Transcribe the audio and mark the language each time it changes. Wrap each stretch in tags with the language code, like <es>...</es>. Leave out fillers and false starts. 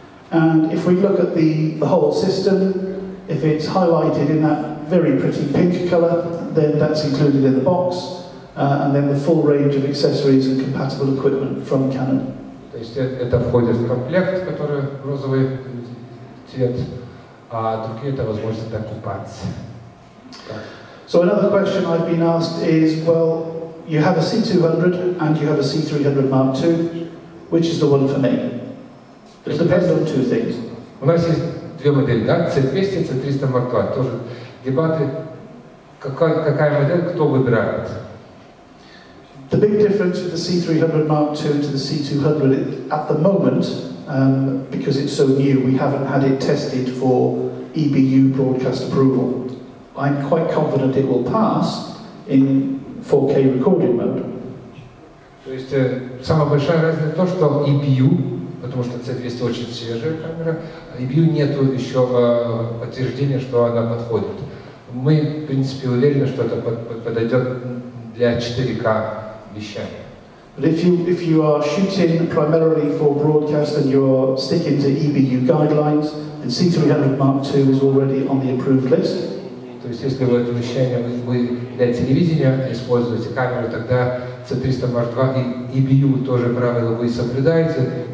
<en>And if we look at the whole system, if it's highlighted in that very pretty pink color, then that's included in the box. And then the full range of accessories and compatible equipment from Canon.</en> <ru>То есть это входит в комплект, который розовый цвет, а другие это возможность докупать.</ru> <en>So another question I've been asked is, well, you have a C200 and you have a C300 Mark II, which is the one for me? It depends on two things.</en> <ru>У нас есть две модели, да? C200 и C300 Mark II. Тоже дебаты, какая модель, кто выбирает?</ru> <en>The big difference with the C300 Mark II to the C200 at the moment, because it's so new, we haven't had it tested for EBU broadcast approval. I'm quite confident it will pass in 4K recording mode.</en> <ru>То есть самая большая разница то, что EBU, потому что C200 очень свежая камера, EBU нету еще подтверждения, что она подходит. Мы, в принципе, уверены, что это подойдет для 4K.</ru> <en>But if you are shooting primarily for broadcast and you're sticking to EBU guidelines, then C300 Mark II is already on the approved list.</en> <ru>То есть если вы вещание вы для телевидения используете камеру, тогда C300 Mark II и EBU тоже правила вы соблюдаете.</ru>